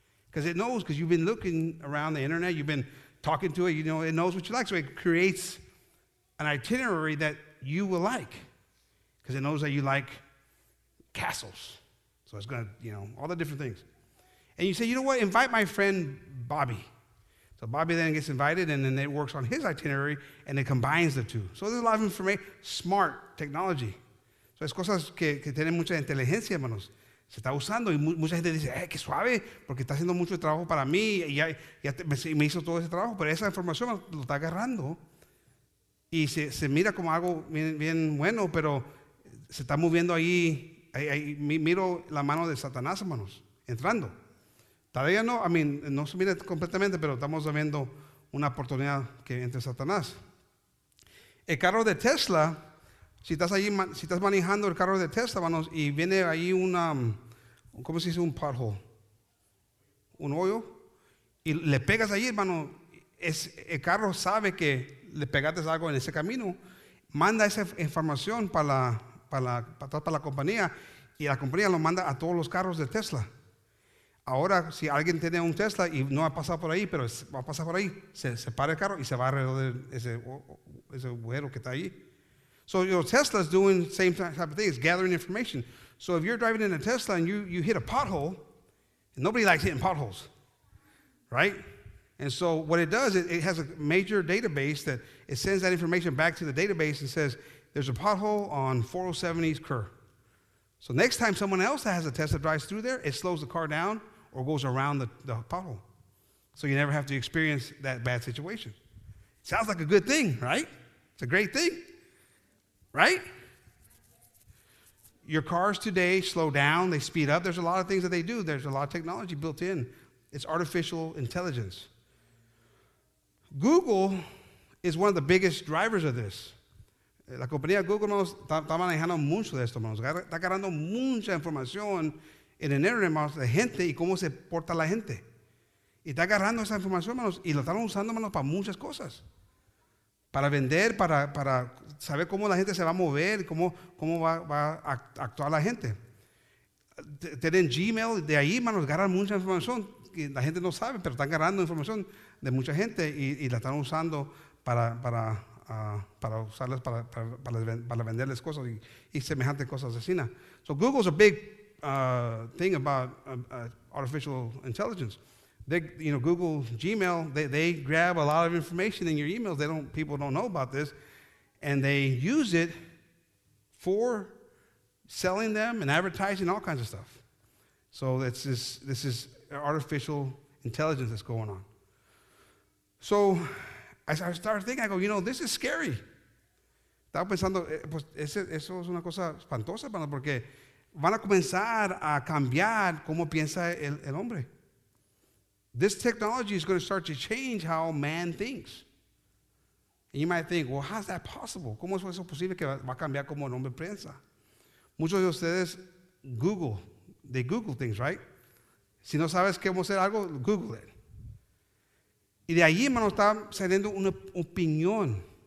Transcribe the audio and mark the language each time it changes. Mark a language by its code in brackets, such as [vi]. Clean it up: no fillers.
[en] Because it knows, because you've been looking around the internet, you've been talking to it, you know, it knows what you like. So it creates an itinerary that you will like, because it knows that you like castles. So it's going to, you know, all the different things. And you say, you know what, invite my friend Bobby. So Bobby then gets invited, and then it works on his itinerary, and it combines the two. So there's a lot of information, smart technology. [es] So es cosas que tienen mucha inteligencia, hermanos. Se está usando, y mucha gente dice, qué suave, porque está haciendo mucho trabajo para mí, y ya me hizo todo ese trabajo. Pero esa información lo está agarrando, y se mira como algo bien bueno, pero se está moviendo ahí miro la mano de Satanás, hermanos, entrando. Todavía no, no se mire completamente, pero estamos viendo una oportunidad que entre Satanás. El carro de Tesla, si estás allí, si estás manejando el carro de Tesla, hermanos, y viene ahí una, ¿cómo se dice? Un pothole, un hoyo, y le pegas ahí, hermano, el carro sabe que le pegaste algo en ese camino, manda esa información para la compañía, y la compañía lo manda a todos los carros de Tesla. Ahora, si alguien tiene un Tesla y no ha pasado por ahí, pero va a pasar por ahí, se para el carro y se va alrededor de ese agujero que está ahí. [en] So, Tesla's doing the same type of thing, it's gathering information. So, if you're driving in a Tesla and you hit a pothole, nobody likes hitting potholes, right? And so, what it does, it has a major database that it sends that information back to the database and says, there's a pothole on 407 East Kerr. So, next time someone else that has a Tesla drives through there, it slows the car down or goes around the pothole. So, you never have to experience that bad situation. Sounds like a good thing, right? It's a great thing. Right? Your cars today slow down, they speed up. There's a lot of things that they do. There's a lot of technology built in. It's artificial intelligence. Google is one of the biggest drivers of this. [es] La compañía Google está manejando mucho de esto, hermanos. Está agarrando mucha información en el internet, hermanos, de gente y cómo se porta la gente. Y está agarrando esa información, hermanos, y lo están usando, hermanos, para muchas cosas. Para vender, para saber cómo la gente se va a mover, cómo va a actuar la gente. Tienen Gmail, de ahí, hermanos, agarran mucha información. Que la gente no sabe, pero están agarrando información de mucha gente y la están usando para venderles cosas y semejantes cosas de cine. [en] So Google's a big thing about artificial intelligence. Google, Gmail, they grab a lot of information in your emails. People don't know about this. And they use it for selling them and advertising, all kinds of stuff. So this is artificial intelligence that's going on. So as I started thinking, I go, this is scary. [es] Estaba pensando, pues eso es una cosa espantosa, porque van a comenzar a cambiar cómo piensa el hombre. [en] This technology is going to start to change how man thinks. And you might think, well, how's that possible? [es] ¿Cómo es eso posible que va a cambiar como el hombre piensa? Muchos de ustedes Google. [en] They Google things, right? [es] Si no sabes cómo hacer algo, [en] Google it. [es] Y de ahí, hermano, está saliendo una opinión.